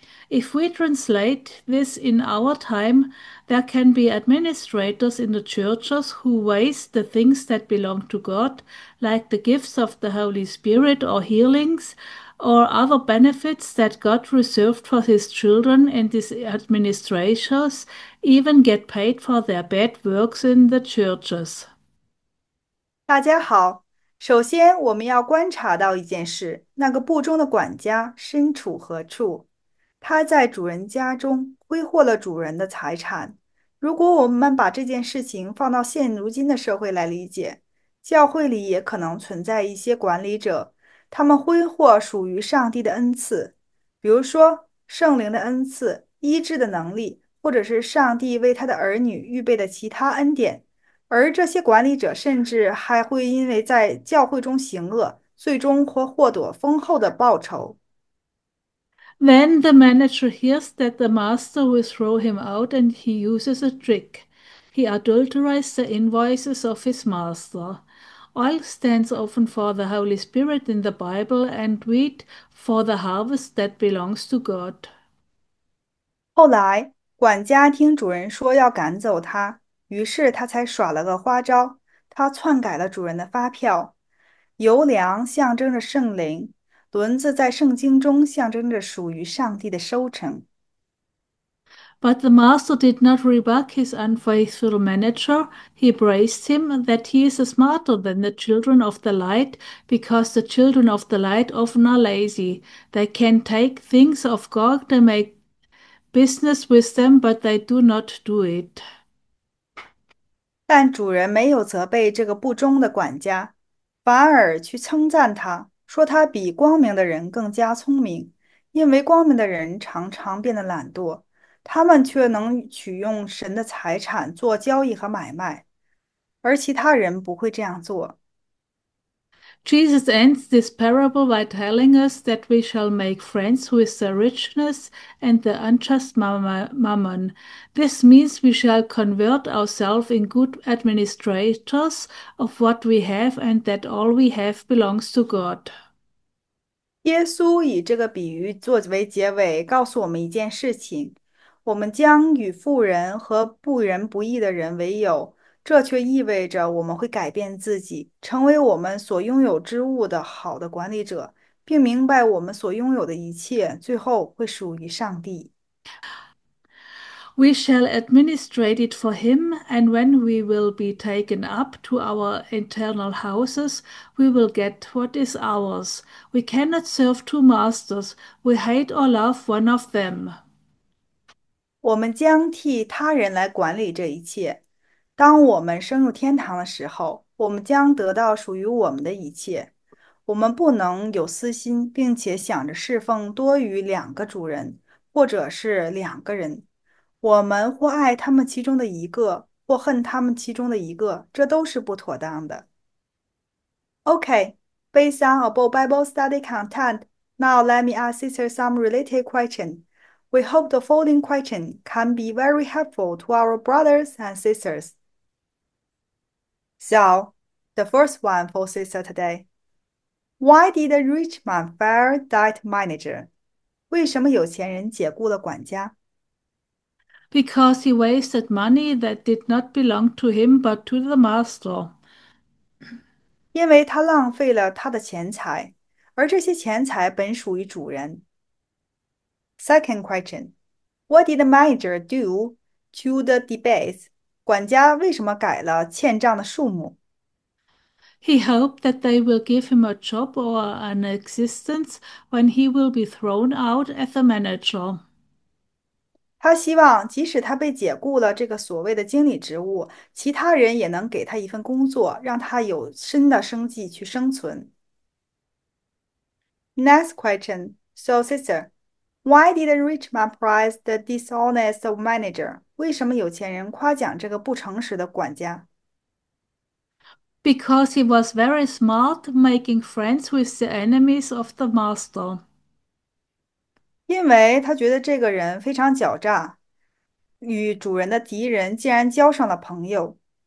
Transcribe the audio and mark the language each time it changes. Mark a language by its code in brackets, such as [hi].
[en] If we translate this in our time, there can be administrators in the churches who waste the things that belong to God, like the gifts of the Holy Spirit or healings or other benefits that God reserved for his children, and these administrators even get paid for their bad works in the churches. [zh] 大家好，首先我们要观察到一件事：那个不忠的管家身处何处？他在主人家中挥霍了主人的财产。如果我们把这件事情放到现如今的社会来理解，教会里也可能存在一些管理者，他们挥霍属于上帝的恩赐，比如说圣灵的恩赐、医治的能力，或者是上帝为他的儿女预备的其他恩典。而这些管理者甚至还会因为在教会中行恶，最终获得丰厚的报酬。 [en] Then the manager hears that the master will throw him out and he uses a trick. He adulterized the invoices of his master. Oil stands often for the Holy Spirit in the Bible, and wheat for the harvest that belongs to God. [zh] 后来，管家听主人说要赶走他，于是他才耍了个花招，他篡改了主人的发票。油粮象征着圣灵，轮子在圣经中象征着属于上帝的收成。 [en] But the master did not rebuke his unfaithful manager. He praised him that he is smarter than the children of the light, because the children of the light often are lazy. They can take things of God and make business with them, but they do not do it. [zh] 但主人没有责备这个不忠的管家，反而去称赞他，说他比光明的人更加聪明，因为光明的人常常变得懒惰，他们却能取用神的财产做交易和买卖，而其他人不会这样做。 [en] Jesus ends this parable by telling us that we shall make friends with the richness and the unjust mammon. This means we shall convert ourselves in good administrators of what we have, and that all we have belongs to God. [zh] 耶稣以这个比喻作为结尾，告诉我们一件事情：我们将与富人和不仁不义的人为友，这却意味着我们会改变自己，成为我们所拥有之物的好的管理者，并明白我们所拥有的一切最后会属于上帝。 [en] We shall administrate it for him, and when we will be taken up to our eternal houses, we will get what is ours. We cannot serve two masters. We hate or love one of them. [zh] 我们将替他人来管理这一切。当我们升入天堂的时候，我们将得到属于我们的一切。我们不能有私心，并且想着侍奉多于两个主人，或者是两个人。我们或爱他们其中的一个，或恨他们其中的一个，这都是不妥当的。 [en] OK，based on above Bible study content, now let me ask sister some related question. We hope the following question can be very helpful to our brothers and sisters. So, the first one for sister today. Why did the rich man fire that manager? [zh] 为什么有钱人解雇了管家？ [en] Because he wasted money that did not belong to him but to the master. [zh] 因为他浪费了他的钱财，而这些钱财本属于主人。 [en] Second question. What did the manager do to the debts? [zh] 管家为什么改了欠账的数目？ [en] He hoped that they will give him a job or an existence when he will be thrown out as a manager. [zh] 他希望即使他被解雇了这个所谓的经理职务，其他人也能给他一份工作，让他有新的生计去生存。 [en] Next question. So, sister. Why did the rich man praise the dishonest manager? [zh] 为什么有钱人夸奖这个不诚实的管家？ [en] Because he was very smart, making friends with the enemies of the master. [zh] 因为他觉得这个人非常狡诈，与主人的敌人竟然交上了朋友。